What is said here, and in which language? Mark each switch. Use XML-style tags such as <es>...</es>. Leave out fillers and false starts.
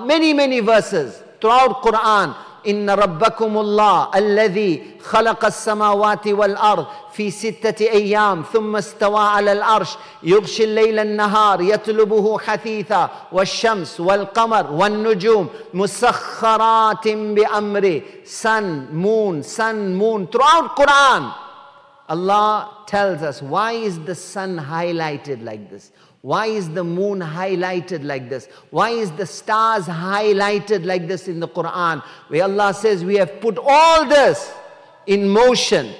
<en>Many verses throughout Quran.</en> <ar>إن ربكم الله الذي خلق السماوات والأرض في ستة أيام ثم استوى على الأرش يغشي الليل النهار يطلبه حثيثا والشمس والقمر والنجوم مسخرات بأمره.</ar> <en>Sun, moon. Throughout Quran, Allah tells us, why is the sun highlighted like this? Why is the moon highlighted like this? Why is the stars highlighted like this in the Quran? Where Allah says, we have put all this in motion.</en>